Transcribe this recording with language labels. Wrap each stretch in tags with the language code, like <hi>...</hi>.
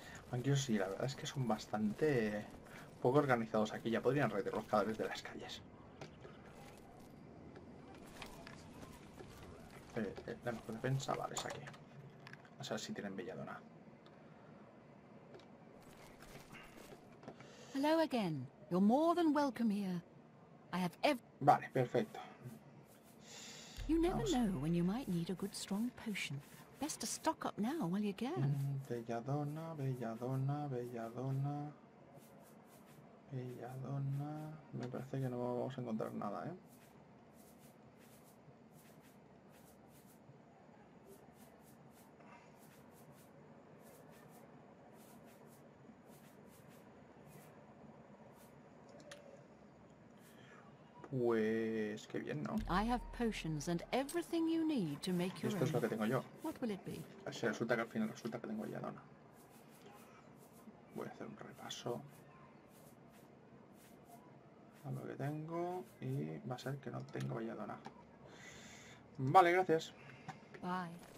<es>Aunque yo sí, la verdad es que son bastante poco organizados aquí. Ya podrían retirar los cadáveres de las calles. La mejor defensa, vale, es aquí. A ver si tienen belladona.</es> <en>Hello again. You're more than welcome here. I have ev-</en> <es>Vale, perfecto.</es> <en>You never know when you might need a good strong potion. Best to stock up now while you can.</en> <es>Belladona, belladona, belladona. Belladona. Me parece que no vamos a encontrar nada, ¿eh? Pues qué bien, ¿no?</es> <en>I have potions and everything you need to make your own.</en> <es>Esto es lo que tengo yo.</es> <en>What will it be?</en> <es>Se resulta que al final resulta que tengo belladona. Voy a hacer un repaso a lo que tengo y va a ser que no tengo belladona. Vale, gracias.</es> <en>Bye.</en>